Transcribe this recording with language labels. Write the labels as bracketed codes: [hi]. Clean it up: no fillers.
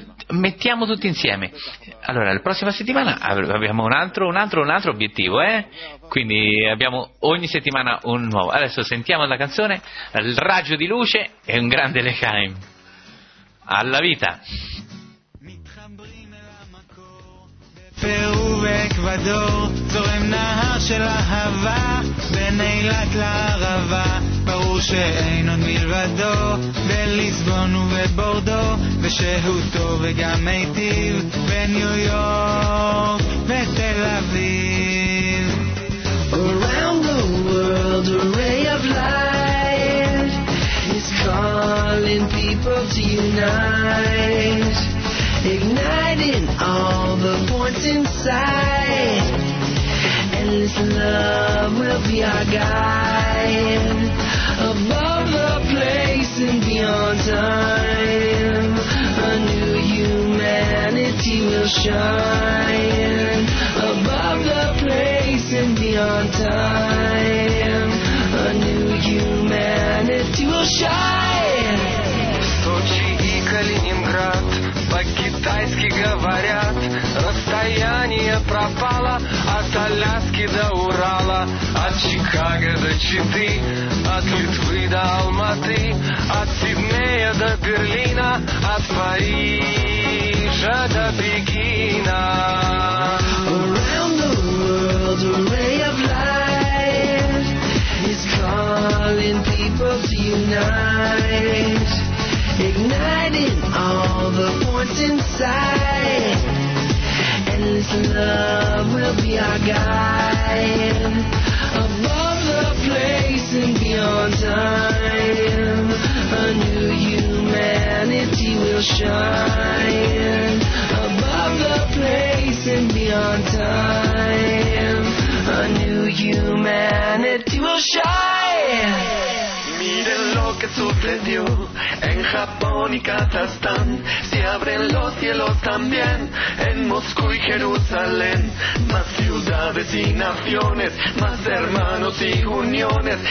[it] Mettiamo tutti insieme. Allora, la prossima settimana abbiamo un altro obiettivo, quindi abbiamo ogni settimana un nuovo. Adesso sentiamo la canzone Il raggio di luce e un grande Lechaim alla vita. [he] פרו ואקוודור, זורם נהר של אהבה בין אילת לערבה, ברור שאין עוד מלבדו בליסבון ובבורדו, ושהוא טוב וגם מיטיב בניו יורק ותל אביב. [en] Around the world a ray of light is calling people to unite, igniting all the points inside. Endless love will be our guide, above the place and beyond time. A new humanity will shine, above the place and beyond time. A new humanity will shine. [ru] Sochi и Калининград по-китайски говорят, расстояние пропало от Аляски до Урала, от Чикаго до Читы, от Литвы до Алматы, от Сиднея до Берлина, от Парижа до Пекина. [en] Around the world a ray of light is calling people to unite, igniting all the points inside. Endless love will be our guide, above the place and beyond time. A new humanity will shine, above the place and beyond time. A new humanity will shine. [es] Miren lo que sucedió en Japón y Kazajstán. Se abren los cielos también en Moscú y Jerusalén. Más ciudades y naciones, más hermanos y uniones.